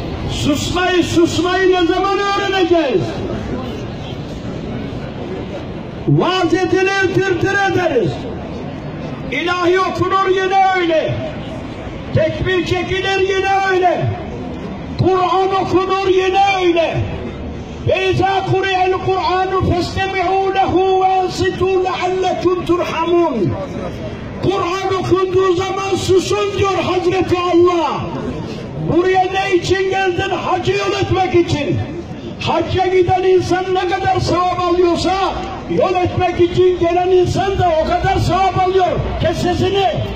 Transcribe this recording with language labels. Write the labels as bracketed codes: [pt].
[tr] Susmayı ne zaman öğreneceğiz? Vaaz edilir, tırtır ederiz. İlahi okunur yine öyle. Tekbir çekilir yine öyle. Kur'an okunur yine öyle. [ar] وَإِذَا قُرِئَ الْقُرْآنُ فَاسْتَمِعُوا لَهُ وَاَنْصِتُوا لَعَلَّكُمْ تُرْحَمُونَ [tr] Kur'an okunduğu zaman susun diyor Hazreti Allah. Buraya ne için geldin? Hacı yol etmek için. Hacca giden insan ne kadar sevap alıyorsa yol etmek için gelen insan da o kadar sevap alıyor. Kes sesini.